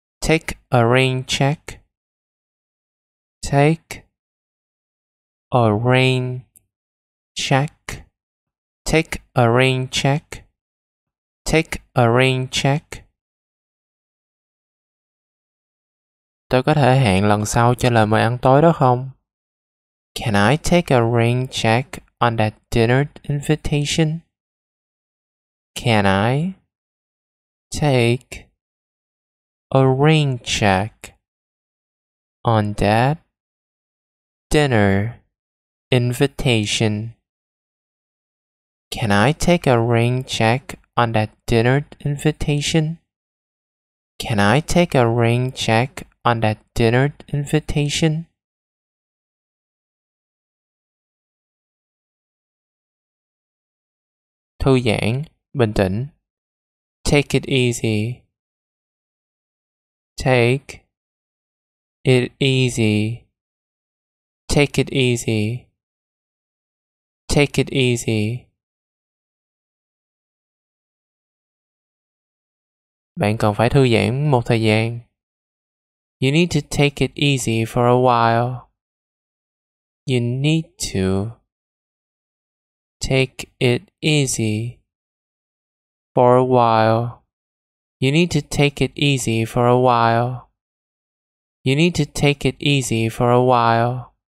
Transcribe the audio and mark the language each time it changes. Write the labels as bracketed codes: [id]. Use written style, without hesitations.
[en] Take a rain check. Take a rain check. Take a rain check. Take a rain check. [vi] Tôi có thể hẹn lần sau cho lời mời ăn tối đó không? [en] Can I take a rain check on that dinner invitation? Can I take a rain check on that dinner invitation? Can I take a rain check on that dinner invitation? Can I take a rain check on that dinner invitation? [vi] Thư giãn, bình tĩnh. [en] Take it easy. Take it easy. Take it easy. Take it easy. [vi] Bạn cần phải thư giãn một thời gian. [en] You need to take it easy for a while. You need to take it easy for a while. You need to take it easy for a while. You need to take it easy for a while.